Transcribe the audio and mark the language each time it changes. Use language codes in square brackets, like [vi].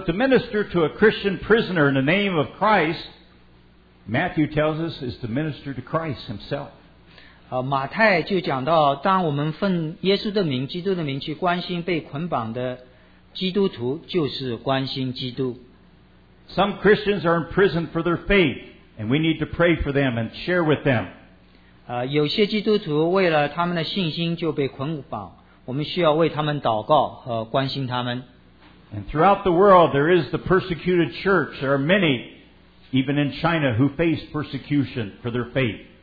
[en] to minister to a Christian prisoner in the name of Christ, Matthew tells us is to minister to Christ himself. [zh] 马太就讲到，当我们奉耶稣的名、基督的名去关心被捆绑的基督徒，就是关心基督。 [en] Some Christians are in prison for their faith, and we need to pray for them and share with them. [zh] 有些基督徒为了他们的信心就被捆绑，我们需要为他们祷告和关心他们。 [en] And throughout the world, there is the persecuted church. There are many, even in China, who face persecution for their faith.